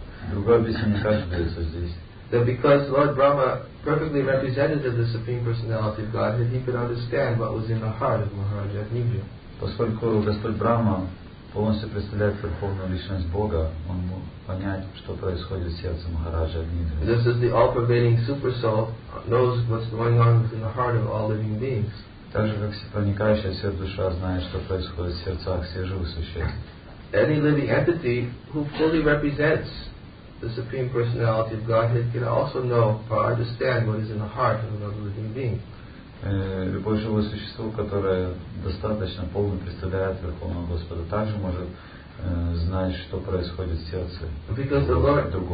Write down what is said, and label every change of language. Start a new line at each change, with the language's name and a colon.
Russian: Другое объяснение также дается здесь.
English: That because Lord Brahma perfectly represented the Supreme Personality of Godhead, he could understand what was in the heart of Maharaja Adnivya.
Russian: Поскольку Господь Брахма полностью представляет Верховную Личность Бога, он мог понять, что происходит в сердце Махараджа Адмидры.
English: Just as the all-pervading super soul knows what's going on within the heart of all living beings.
Russian: Так же, как проникающая свет душа знает, что происходит в сердцах всех живых существ.
English: Any living entity who fully represents the Supreme Personality of Godhead can also know or understand what is in the heart of another living being.
Russian: Любое живое существо, которое достаточно полно представляет Верховного Господа, также может знать, что происходит в сердце